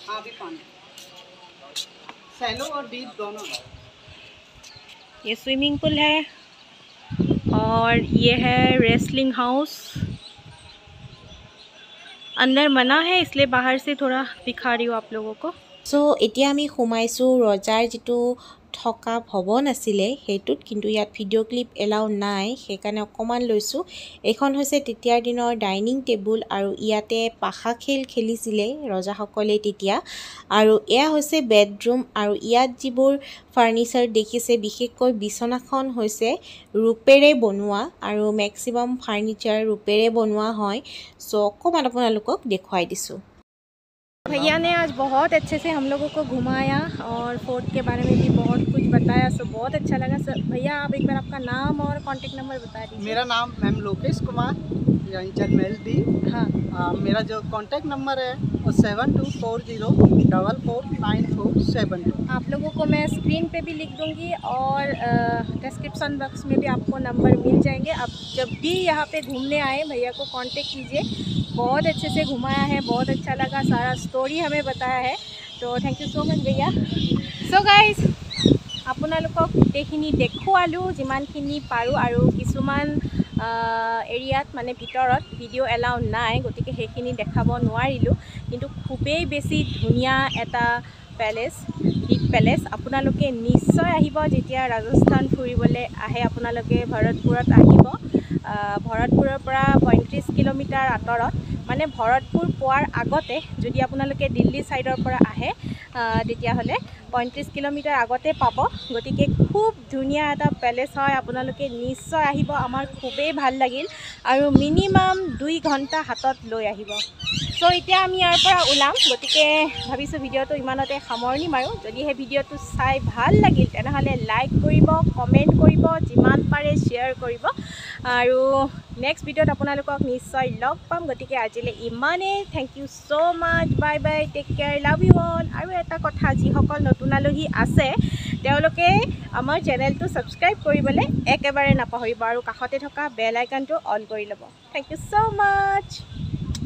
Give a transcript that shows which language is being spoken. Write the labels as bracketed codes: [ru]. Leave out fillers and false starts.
[hi] अभी पानी सैलो और डीप दोनों। ये स्विमिंग पूल है और ये है रेसलिंग हाउस। अंदर मना है इसलिए बाहर से थोड़ा दिखा रही हूँ आप लोगों को। [as] सो इतिया मैं हुमायसू रोजार जितु থকা ভৱন আছিলে সেইটোত কিন্তু ইয়াত ভিডিঅ' ক্লিপ এলাও নাই সেইকাৰণে অকণমান লৈছোঁ। এইখন হৈছে তেতিয়াৰ দিনৰ ডাইনিং টেবুল আৰু ইয়াতে পাখা খেল খেলিছিলে ৰজাসকলে তেতিয়া। আৰু এয়া হৈছে বেডৰুম আৰু ইয়াত যিবোৰ ফাৰ্নিচাৰ দেখিছে বিশেষকৈ বিছনাখন হৈছে ৰূপেৰে বনোৱা আৰু মেক্সিমাম ফাৰ্নিচাৰ ৰূপেৰে বনোৱা হয়। চ' অকণমান আপোনালোকক দেখুৱাই দিছোঁ। [hi] भैया ने आज बहुत अच्छे से हम लोगों को घुमाया और फोर्ट के बारे में भी बहुत कुछ बताया। सो बहुत अच्छा लगा सर। भैया आप एक बार आपका नाम और कॉन्टेक्ट नंबर बता दीजिए। मेरा नाम मैम लोकेश कुमार यानी जनमेल दी। हाँ मेरा जो कॉन्टेक्ट नंबर है वो 7240449472। आप लोगों को मैं स्क्रीन पे भी लिख दूंगी और डिस्क्रिप्शन बॉक्स में भी आपको नंबर मिल जाएंगे। आप जब भी यहाँ पे घूमने आए भैया को कॉन्टेक्ट कीजिए। बहुत अच्छे से घुमाया है, बहुत अच्छा लगा, सारा स्टोरी हमें बताया है। तो थैंक यू सो मच भैया। सो गाइज आप [as] আপোনালোকক গোটেইখিনি দেখুৱালোঁ যিমানখিনি পাৰোঁ, আৰু কিছুমান এৰিয়াত মানে ভিতৰত ভিডিঅ' এলাউ নাই, গতিকে সেইখিনি দেখাব নোৱাৰিলোঁ। কিন্তু খুবেই বেছি ধুনীয়া এটা পেলেচ, হিট পেলেচ। আপোনালোকে নিশ্চয় আহিব যেতিয়া ৰাজস্থান ফুৰিবলৈ আহে, আপোনালোকে ভৰতপুৰত আহিব। ভৰতপুৰৰ পৰা 35 কিলোমিটাৰ আঁতৰত, মানে ভৰতপুৰ পোৱাৰ আগতে যদি আপোনালোকে দিল্লী ছাইডৰ পৰা আহে তেতিয়াহ'লে 35 কিলোমিটাৰ আগতে পাব। গতিকে খুব ধুনীয়া এটা পেলেচ হয়, আপোনালোকে নিশ্চয় আহিব, আমাৰ খুবেই ভাল লাগিল। আৰু মিনিমাম 2 ঘণ্টা হাতত লৈ আহিব। চ' এতিয়া আমি ইয়াৰ পৰা ওলাম, গতিকে ভাবিছোঁ ভিডিঅ'টো ইমানতে সামৰণি মাৰোঁ। যদি সেই ভিডিঅ'টো চাই ভাল লাগিল তেনেহ'লে লাইক কৰিব, কমেণ্ট কৰিব, যিমান পাৰে শ্বেয়াৰ কৰিব। আৰু নেক্সট ভিডিঅ'ত আপোনালোকক নিশ্চয় লগ পাম। গতিকে আজিলৈ ইমানেই, thank you so much, bye bye, tech care, love you all. আৰু এটা কথা, যিসকল নতুন আলহী আছে তেওঁলোকে আমাৰ চেনেলটো ছাবস্ক্ৰাইব কৰিবলৈ একেবাৰে নাপাহৰিব, আৰু কাষতে থকা বেল আইকনটো অন কৰি ল'ব। Thank you so much.